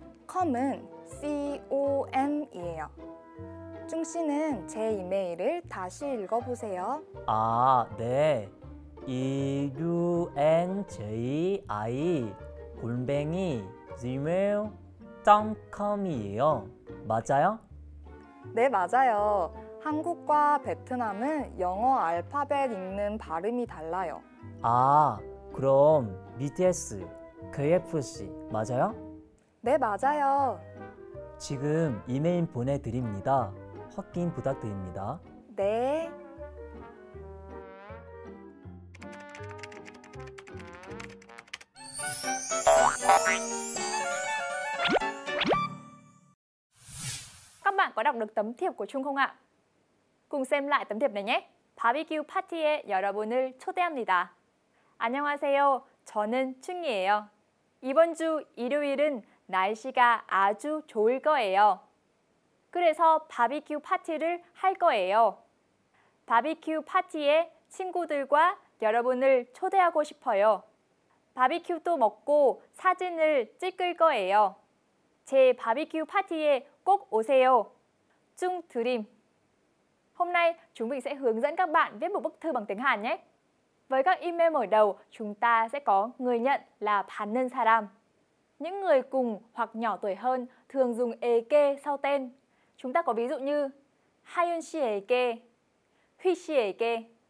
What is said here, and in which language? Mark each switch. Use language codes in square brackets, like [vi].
[ko] com은 com이에요. 중 씨는 제 이메일을 다시 읽어보세요. 아, 네. unji@gmail.com이에요. 맞아요? 네, 맞아요. 한국과 베트남은 영어 알파벳 읽는 발음이 달라요. 아, 그럼 BTS, KFC 맞아요? 네, 맞아요. 지금 이메일 보내드립니다. 확인 부탁드립니다. 네. [vi] có đọc được tấm thiệp của Trung không ạ? Cùng xem lại tấm thiệp này nhé. [ko] Barbecue party에 여러분을 초대합니다. 안녕하세요. 저는 충이에요. 이번 주 일요일은 날씨가 아주 좋을 거예요. 그래서 바비큐 파티를 할 거예요. 바비큐 파티에 친구들과 여러분을 초대하고 싶어요. 바비큐도 먹고 사진을 찍을 거예요. 제 바비큐 파티에 꼭 오세요. Chung Dream. [vi] Hôm nay chúng mình sẽ hướng dẫn các bạn viết một bức thư bằng tiếng Hàn nhé. Với các email mở đầu, chúng ta sẽ có người nhận là [ko] 받는 사람. [vi] Những người cùng hoặc nhỏ tuổi hơn thường dùng 에게 sau tên. Chúng ta có ví dụ như 하윤 씨에게, 휘 씨에게.